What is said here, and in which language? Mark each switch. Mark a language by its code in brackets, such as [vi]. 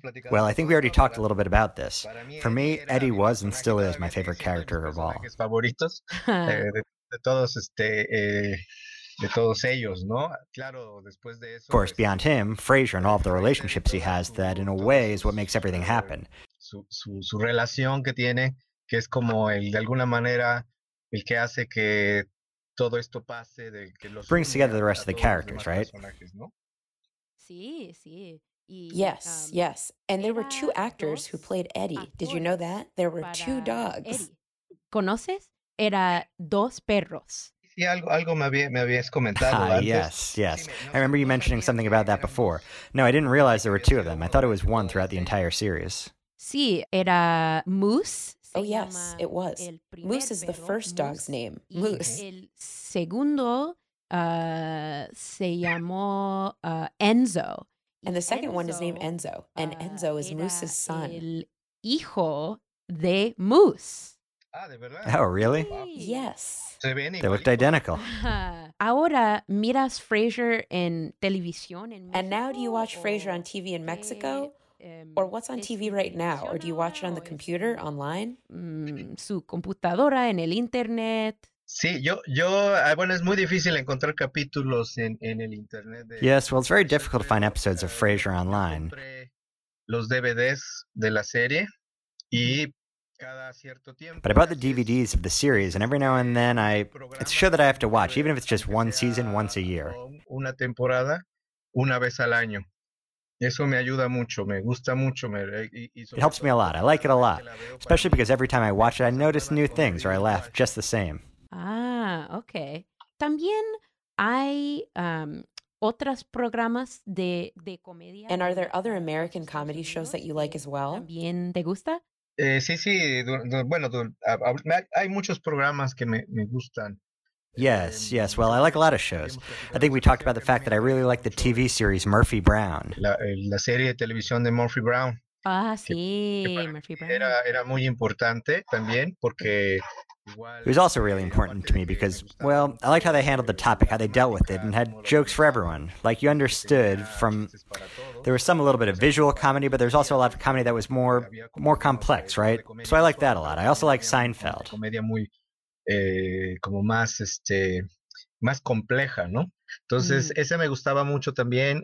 [en] Well, I think we already talked a little bit about this. For me, Eddie was and still is my favorite character of all. [es] Favoritos. De todos, de todos ellos, ¿no? Claro, después de eso, [en] of course, beyond him, Frasier and all of the relationships he has, that in a way is what makes everything happen. [es] Su relación que tiene, que es como el, de alguna manera, el que hace que todo esto pase. De, que los [en] brings together the rest of the characters, right? [es] ¿No? Sí, sí. [en] Yes, yes. And there were two actors who played Eddie. Did you know that? There were two dogs. Eddie. [es] ¿Conoces? Era dos perros. Sí, algo me habías comentado antes. [en] Yes, yes. I remember you mentioning something about that before. No, I didn't realize there were two of them. I thought it was one throughout the entire series. [es] Sí, era Moose. [en] Oh, yes, it was. Moose is the first dog's name. Moose. [es] El segundo se llamó Enzo. [en] And the second one is named Enzo. And Enzo is Moose's son. [es] El hijo de Moose. Ah, de verdad. [en] Oh, really? Yes. They looked identical. [es] Ahora miras Frasier en televisión en México. [en] And now do you watch Frasier on TV in Mexico? Or what's on TV right now? Or do you watch it on the computer, online? [es] Su computadora, en el internet. Sí, yo, bueno, es muy difícil encontrar capítulos en el internet. [en] Yes, well, it's very difficult to find episodes of Frasier online. [es] Los DVDs de la serie y... [en] But I bought the DVDs of the series, and every now and then it's a show that I have to watch, even if it's just one season once a year. [es] Una temporada, una vez al año. Eso me ayuda mucho, me gusta mucho. [en] It helps me a lot. I like it a lot, especially because every time I watch it, I notice new things or I laugh just the same. Ah, okay. [es] También hay otras programas de comedia. [en] And are there other American comedy shows that you like as well? [es] También te gusta. Hay muchos programas que me gustan. [en] Yes, yes. Well, I like a lot of shows. I think we talked about the fact that I really like the TV series Murphy Brown. [es] La serie de televisión de Murphy Brown. Ah, sí, Murphy Brown. Era muy importante también porque... [en] It was also really important to me because, well, I liked how they handled the topic, how they dealt with it, and had jokes for everyone. Like, you understood from... There was some a little bit of visual comedy, but there's also a lot of comedy that was more complex, right? So I liked that a lot. I also like Seinfeld. [es] Comedia muy, como más, más compleja, ¿no? Entonces, ese me gustaba mucho también.